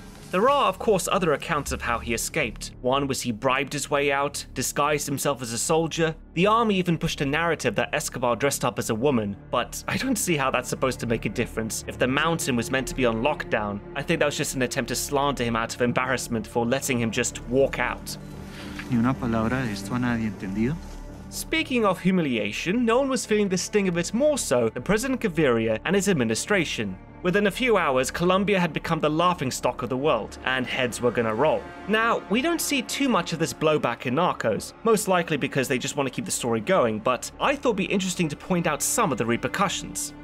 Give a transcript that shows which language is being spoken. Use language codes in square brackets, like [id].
[en] There are, of course, other accounts of how he escaped. One was he bribed his way out, disguised himself as a soldier. The army even pushed a narrative that Escobar dressed up as a woman, but I don't see how that's supposed to make a difference if the mountain was meant to be on lockdown. I think that was just an attempt to slander him out of embarrassment for letting him just walk out. [es] Ni una palabra de esto a nadie entendido. [en] Speaking of humiliation, no one was feeling the sting of it more so than President Gaviria and his administration. Within a few hours, Colombia had become the laughingstock of the world, and heads were gonna roll. Now, we don't see too much of this blowback in Narcos, most likely because they just want to keep the story going, but I thought it'd be interesting to point out some of the repercussions.